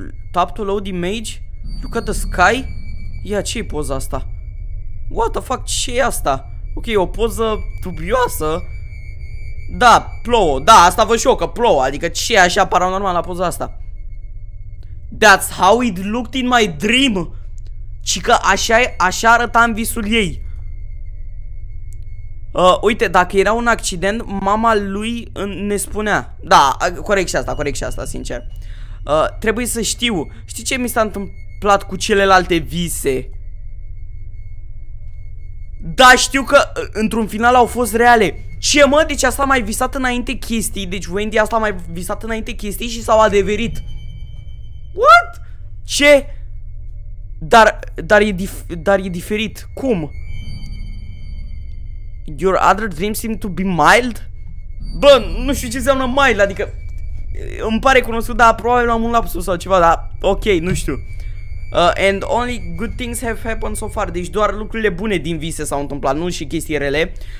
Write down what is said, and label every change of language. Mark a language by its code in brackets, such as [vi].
[en] Tap to load image? Look at the sky? [ro] Ia, ce-i poza asta? [en] What the fuck, [ro] ce-i asta? Ok, o poză dubioasă. Da, plouă, da, asta văd și eu, că plouă, adică ce e așa paranormal la poza asta? [en] That's how it looked in my dream. [ro] Ci că așa arăta în visul ei. Uite, dacă era un accident, mama lui ne spunea. Da, corect și asta, corect și asta, sincer. Trebuie să știu, știi ce mi s-a întâmplat cu celelalte vise? Da, știu că într-un final au fost reale. Ce mă? Deci asta a mai visat înainte chestii. Deci Wendy asta a mai visat înainte chestii și s-au adeverit. [en] What? [ro] Ce? Dar e diferit. Cum? [en] Your other dreams seem to be mild? [ro] Bă, nu știu ce înseamnă mild, adică... Îmi pare cunoscut, dar probabil am un lapsus sau ceva, dar ok, nu știu. [en] And only good things have happened so far. [ro] Deci doar lucrurile bune din vise s-au întâmplat, nu și chestii rele.